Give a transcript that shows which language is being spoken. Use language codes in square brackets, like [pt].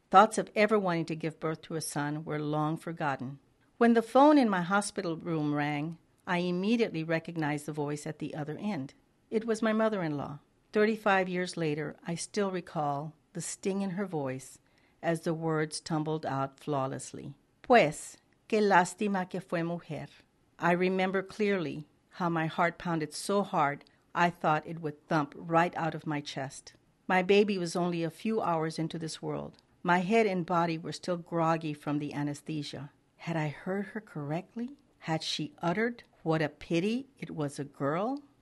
[en] Thoughts of ever wanting to give birth to a son were long forgotten. When the phone in my hospital room rang, I immediately recognized the voice at the other end. It was my mother-in-law. 35 years later, I still recall the sting in her voice as the words tumbled out flawlessly. [es] Pues, qué lástima que fue mujer. [en] I remember clearly how my heart pounded so hard I thought it would thump right out of my chest. My baby was only a few hours into this world. My head and body were still groggy from the anesthesia. Had I heard her correctly? Had she uttered, "What a pity it was a girl"?